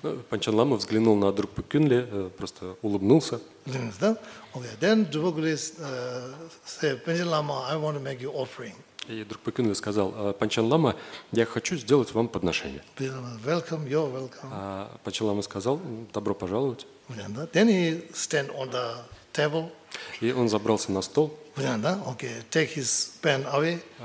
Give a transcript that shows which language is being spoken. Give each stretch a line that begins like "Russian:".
Russian: Panchen Lama взглянул на Drupa Kunle, просто улыбнулся.
English: Okay, then Drupa Kunle said, Panchen Lama, I want to make you offering.
Russian: И Drupa Kunle сказал, Панчен Лама, я хочу сделать вам подношение.
English: Welcome, you're welcome.
Russian: А Панчен Лама сказал, добро пожаловать.
English: Then he stand on the table.
Russian: И он забрался на стол.
English: Okay, take his pen away.